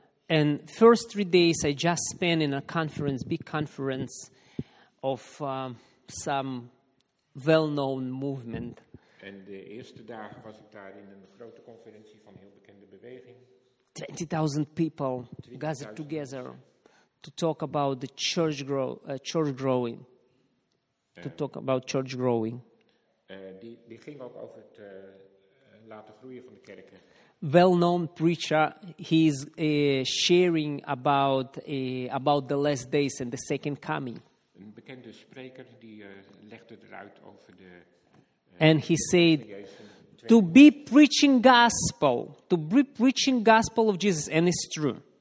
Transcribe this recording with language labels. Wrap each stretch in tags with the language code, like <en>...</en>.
<en>And first 3 days I just spent in a conference, big conference of some well-known movement.</en> <nl>En de eerste dagen was ik daar in een grote conferentie van heel bekende beweging.</nl> <en>20,000 people gathered together to talk about the church growing. To talk about church growing.</en> <nl>Die ging ook over het laten groeien van de kerken.</nl> <en>Well-known preacher, he is sharing about the last days and the second coming.</en> <nl>Een bekende spreker die legde eruit over de.</nl> <en>And he said, to be preaching gospel, to be preaching gospel of Jesus, and it's true.</en>